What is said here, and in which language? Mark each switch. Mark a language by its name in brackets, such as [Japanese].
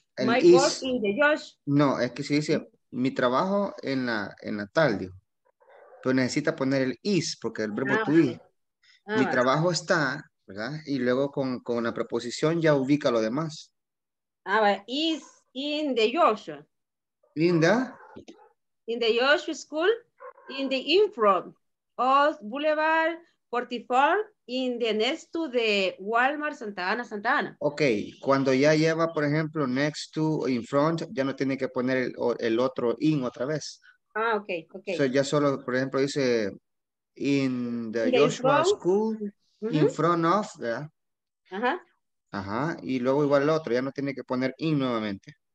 [English] El my is, work in the Josh. [Spanish] No, es que si dice mi trabajo en la tal, digo. Pero necesita poner el is, porque el verbo to be. Mi trabajo está, ¿verdad? Y luego con la preposición ya ubica lo demás. A ver, [English] is in the Joshua. [Spanish] Linda. [English] In the Joshua School, in the infront of Boulevard 44, in the next to the Walmart Santa Ana, Santa Ana. [Spanish] Ok, cuando ya lleva, por ejemplo, [English] next to, in front, [Spanish] ya no tiene que poner el otro in otra vez. Ah, ok, ok. So ya solo, por ejemplo, dice [English] in the Joshua School, [Spanish] uh-huh, [English] in front of, [Spanish] ¿verdad? Ajá. Uh-huh. Ajá, y luego igual el otro, ya no tiene que poner in nuevamente.